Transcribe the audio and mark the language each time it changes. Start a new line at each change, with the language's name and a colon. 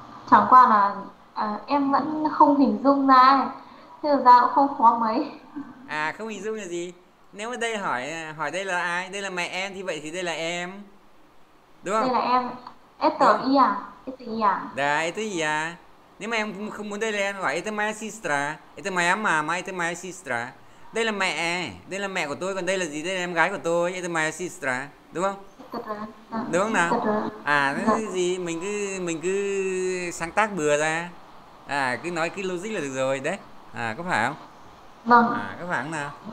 Vietnamese: Chẳng qua là em vẫn không hình dung ra. Thế ra cũng không khó mấy. À không hình dung là gì? Nếu mà đây hỏi hỏi đây là ai? Đây là mẹ em thì vậy thì đây là em. Đúng không? Đây là em.
Russian: Это я. Это я. Да, это я.
Vietnamese: Nếu mà em không muốn đây là em gọi
Russian: это моя сестра. Это моя мама, это моя сестра.
Vietnamese: Đây là mẹ, đây là mẹ của tôi, còn đây là gì? Đây là em gái của tôi,
Russian: это моя сестра.
Vietnamese: Đúng không? Đúng không nào? À, nó cái gì? Mình cứ sáng tác bừa ra. À, cứ nói cái logic là được rồi đấy. À, có phải không? Vâng. À các bạn nào.